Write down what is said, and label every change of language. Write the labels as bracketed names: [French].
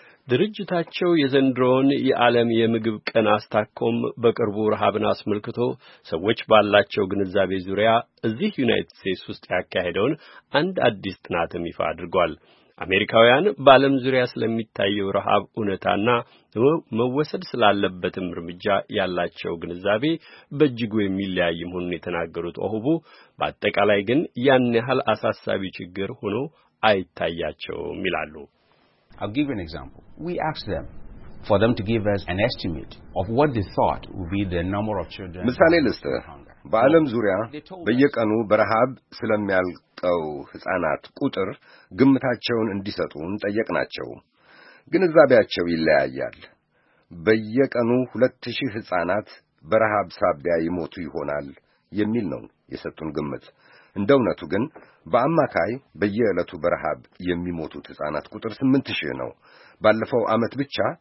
[Amharic] ድርጅታቸው የዘንድሮን የዓለም የምግብ ቀን አስታኮም በቅርቡ ረሃብን አስመልክቶ ሰዎች ባላቸው ግንዛቤ ዙሪያ እዚህ ዩናይትድ ስቴትስ ውስጥ ያካሄደውን አንድ አዲስ ጥናትም ይፋ አድርጓል። አሜሪካውያን በዓለም ዙሪያ ስለሚታየው ረሃብ ዑነታና መወሰድ ስላለበትም ርምጃ ያላቸው ግንዛቤ በእጅጉ የሚለያይ መሆኑን የተናገሩት ኦሁቡ በአጠቃላይ ግን ያን ያህል አሳሳቢ ችግር ሆኖ አይታያቸውም ይላሉ። [English] I'll give you an example. We asked them for them to give us an estimate of what they thought would be the number of children. [Amharic] ምሳሌ ልስጥ። በአለም ዙሪያ በየቀኑ በረሃብ ስለሚያልቀው ህፃናት ቁጥር ግምታቸውን እንዲሰጡን ጠየቅናቸው። ግንዛቤያቸው ይለያያል። በየቀኑ 2000 ህፃናት በረሃብ ሳቢያ ይሞቱ ይሆናል የሚል ነው የሰጡን ግምት። እንደውነቱ ግን በአማካይ በየዕለቱ በረሃብ የሚሞቱት ህፃናት ቁጥር 8000 ነው። ባለፈው አመት ብቻ